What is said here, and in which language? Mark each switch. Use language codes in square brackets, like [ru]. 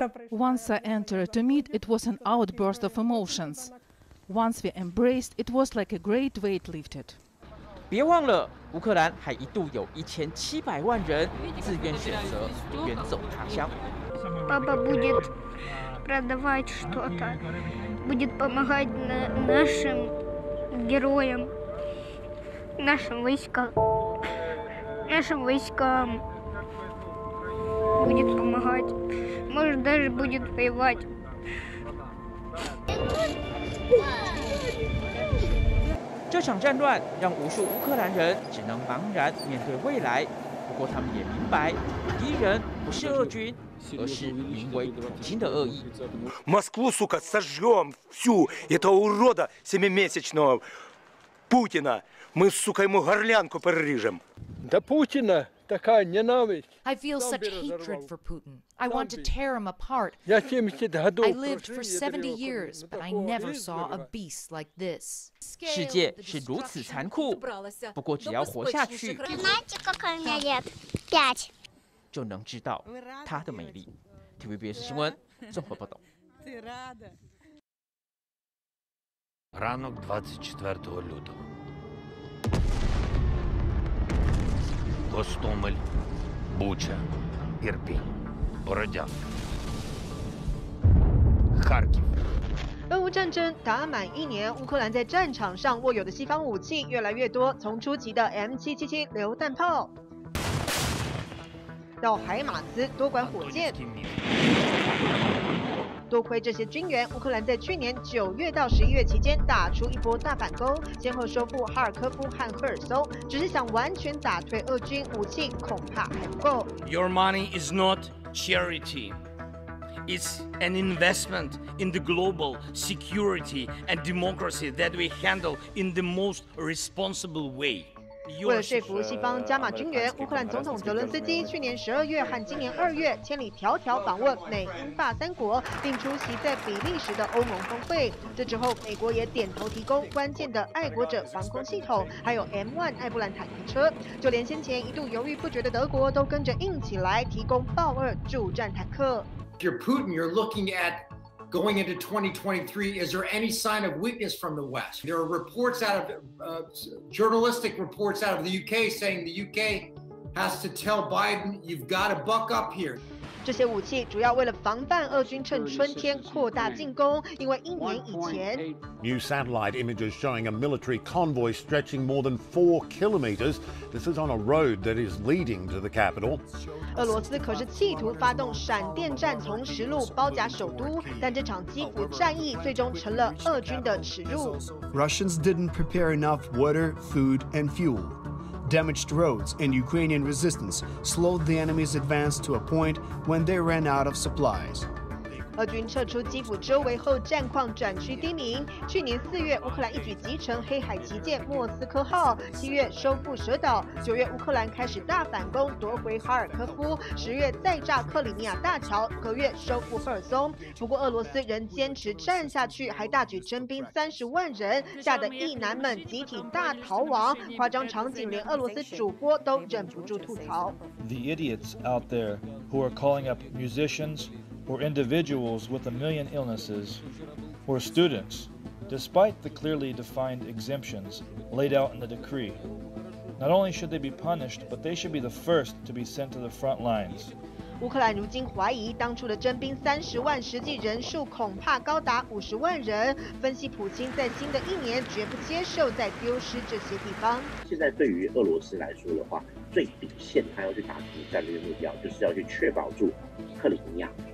[en] Once I entered to meet, it was an outburst of emotions. Once we embraced, it was like a great weight lifted. [zh] 别忘了，乌克兰还一度有1700万人自愿选择远走他乡。爸爸 [ru] будет продавать что-то, будет помогать нашим героям, нашим войскам. Будет помогать, может даже будет воевать. [zh] 这场战乱让无数乌克兰人只能茫然面对未来。不过他们也明白，敌人不是俄军，而是名为普京的恶意。 [ru] Москву, сука, сожжем всю этого урода семимесячного Путина. Мы, сука, ему горлянку перережем. Да Путина. Такая ненависть. [en] I feel such hatred for Putin. I want to tear him apart. I lived for 70 years, but I never saw a beast like this. [zh] 世界是如此残酷，不过只要活下去，就能知道它的魅力。 TVBS 新闻综合报道。 [uk] Ранок 24 лютого. Гостомель, Буча, Ірпінь, Бородянка, Харків. [zh] 俄乌战争打满一年，乌克兰在战场上握有的西方武器越来越多，从初级的 M777 榴弹炮，到海马斯多管火箭。多亏这些军援，乌克兰在去年9月到11月期间打出一波大反攻，先后收复哈尔科夫和赫尔松。只是想完全打退俄军，武器恐怕还不够。 [en] Your money is not charity. It's an investment in the global security and democracy that we handle in the most responsible way. [zh] 为了说服西方加码军援，乌克兰总统泽伦斯基去年12月和今年2月千里迢迢访问美英法三国，并出席在比利时的欧盟峰会。这之后，美国也点头提供关键的爱国者防空系统，还有 M1 爱布兰坦克车。就连先前一度犹豫不决的德国，都跟着硬起来，提供豹二助战坦克。 [en] If you're Putin, you're looking at going into 2023, is there any sign of weakness from the West? There are reports out of, journalistic reports out of the UK saying the UK has to tell Biden, you've got to buck up here. [zh] 这些武器主要为了防范俄军趁春天扩大进攻，因为一年以前。 [en] New satellite images showing a military convoy stretching more than 4 kilometers. This is on a road that is leading to the capital. [zh] 俄罗斯可是企图发动闪电战从实路包夹首都，但这场基辅战役最终成了俄军的耻辱。 [en] Russians didn't prepare enough water, food, and fuel. Damaged roads and Ukrainian resistance slowed the enemy's advance to a point when they ran out of supplies. [zh] 俄军撤出基辅周围后，战况转趋低迷。去年四月，乌克兰一举击沉黑海旗舰莫斯科号；七月收复蛇岛；九月乌克兰开始大反攻，夺回哈尔科夫；十月再炸克里米亚大桥；隔月收复赫尔松。不过俄罗斯仍坚持战下去，还大举征兵30万人，吓得役男们集体大逃亡。夸张场景，连俄罗斯主播都忍不住吐槽。 [en] The idiots out there who are calling up musicians. Or individuals with a million illnesses, or students, despite the clearly defined exemptions laid out in the decree. Not only should they be punished, but they should be the first to be sent to the front lines. [zh] 乌克兰如今怀疑当初的征兵30万，实际人数恐怕高达50万人。分析普京在新的一年绝不接受再丢失这些地方。现在对于俄罗斯来说的话，最底线他要去达成战略目标，就是要去确保住克里米亚。